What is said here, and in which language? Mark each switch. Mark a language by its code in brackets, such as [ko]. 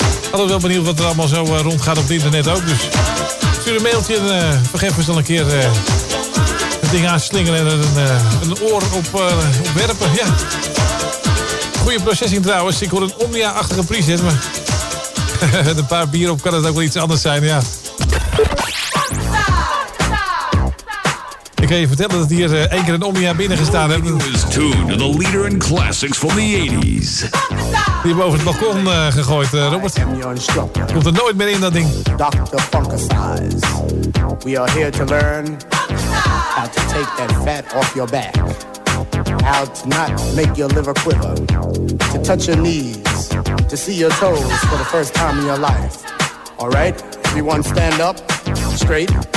[nl] Altijd wel benieuwd wat er allemaal zo rondgaat op het internet ook. Dus stuur een mailtje en vergeef eens dan een keer het ding aan slingeren en een oor op werpen. Ja. Goeie processing trouwens. Ik hoor een Omnia-achtige preset, maar... Met een paar bier op kan het ook wel iets anders zijn, ja. Ik kan je vertellen dat het hier één keer een Omnia binnen gestaan heeft. [en] Is tuned to the leader in classics from the 80s. [nl] Die boven het balkon gegooid, Robert. Komt er nooit meer in, dat ding. [en] Dr. Funkasize. We are here to learn how to take that fat off your back. How to not make your liver quiver. To touch your knees. To see your toes for the first time in your life. All right, everyone stand up straight.